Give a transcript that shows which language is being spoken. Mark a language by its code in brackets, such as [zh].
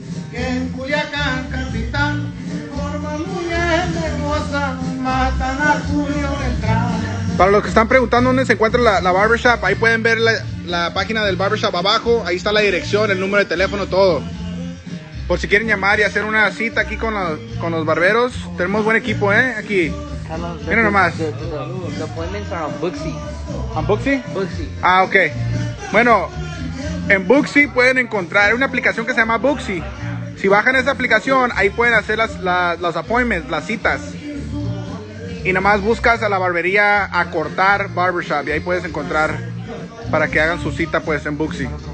[es] Que en Culiacán, capitán, forma muñeca hermosa, matan a Julio Beltrán. Para los que están preguntando dónde se encuentra la barbershop, ahí pueden ver la página del barbershop abajo. Ahí está la dirección, el número de teléfono, todo. Por si quieren llamar y hacer una cita aquí con los barberos. Tenemos buen equipo, aquí. Mira nomás. [en] The appointments are on Booksy. [es] Ah, ok. Bueno, en Booksy pueden encontrar una aplicación que se llama Booksy. Si bajan esa aplicación, ahí pueden hacer las appointments, las citas. Y nomás buscas a la barbería a cortar barbershop y ahí puedes encontrar para que hagan su cita, pues, en Booksy.